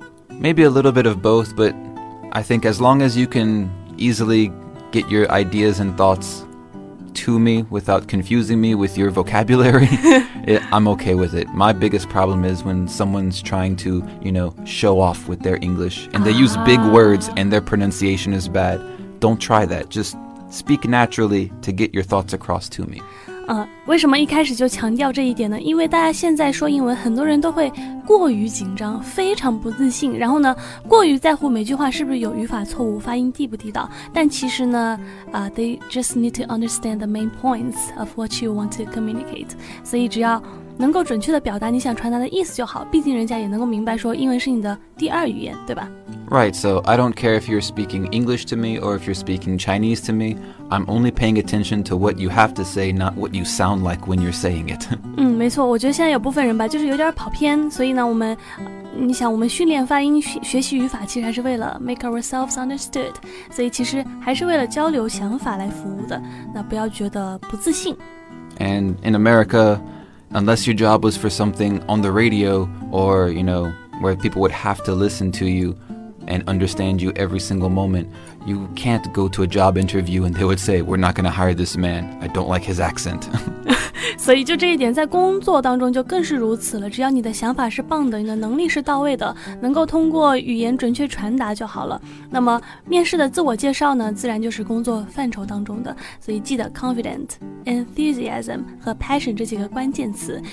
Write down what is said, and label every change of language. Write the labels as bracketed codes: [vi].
[en] Maybe a little bit of both, but I think as long as you can easily get your ideas and thoughts to me without confusing me with your vocabulary, I'm okay with it. My biggest problem is when someone's trying to, you know, show off with their English and they use big words and their pronunciation is bad. Don't try that. Just speak naturally to get your thoughts across to me. [zh] 为什么一开始就强调这一点呢？因为大家现在说英文，很多人都会过于紧张，非常不自信，然后呢，过于在乎每句话是不是有语法错误，发音地不地道。但其实呢， [en] they just need to understand the main points of what you want to communicate. [zh] 所以只要能够准确地表达你想传达的意思就好，毕竟人家也能够明白说英文是你的第二语言，对吧？ [en] Right, so I don't care if you're speaking English to me or if you're speaking Chinese to me. I'm only paying attention to what you have to say, not what you sound like when you're saying it. [zh] 没错，我觉得现在有部分人吧，就是有点跑偏，所以呢，我们你想我们训练发音学习语法其实还是为了 [en] make ourselves understood, [zh] 所以其实还是为了交流想法来服务的，那不要觉得不自信。 [en] And in AmericaUnless your job was for something on the radio or, you know, where people would have to listen to you and understand you every single moment, you can't go to a job interview and they would say, we're not going to hire this man. I don't like his accent. [zh] 所以就这一点在工作当中就更是如此了。只要你的想法是棒的，你的能力是到位的，能够通过语言准确传达就好了。那么面试的自我介绍呢，自然就是工作范畴当中的。所以记得 confident, enthusiasm 和 passion 这几个关键词。